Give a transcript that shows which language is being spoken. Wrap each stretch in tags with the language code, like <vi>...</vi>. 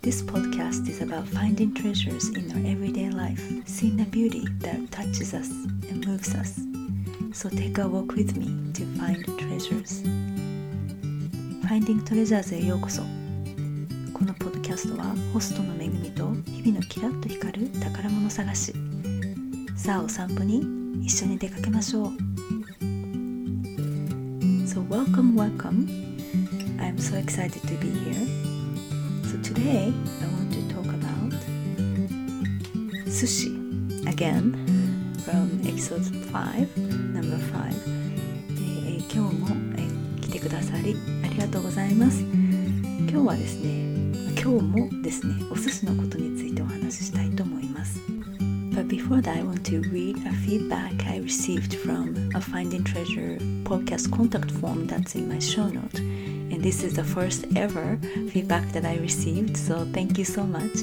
<en>This podcast is about finding treasures in our everyday life, seeing the beauty that touches us and moves us. So take a walk with me to find treasures.</en> <ja>Finding Treasures へようこそ。このポッドキャストはホストのめぐみと日々のキラッと光る宝物探し。さあお散歩に一緒に出かけましょう。</ja> <en>Welcome. I'm so excited to be here. So today, I want to talk about sushi again from episode 5, number 5.</en> <ja>今日も来てくださりありがとうございます。今日はですね、今日もですね、お寿司のことについてお話ししたいと思います。</ja> <en>But before that, I want to read a feedback I received from a Finding Treasure podcast contact form that's in my show note. And this is the first ever feedback that I received, so thank you so much.</en>